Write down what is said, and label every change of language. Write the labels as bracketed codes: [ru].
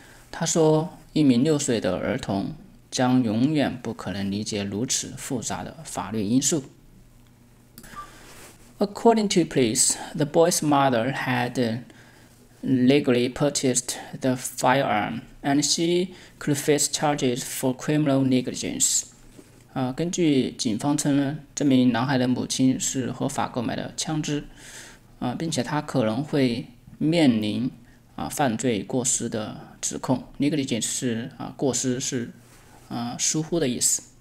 [zh] 他说，一名六岁的儿童将永远不可能理解如此复杂的法律因素。 [en] According to police, the boy's mother had legally purchased the firearm. And she could face charges for criminal negligence. [zh] 根据警方称呢，这名男孩的母亲是合法购买的枪支，并且他可能会面临犯罪过失的指控。Negligence 是过失，是疏忽的意思。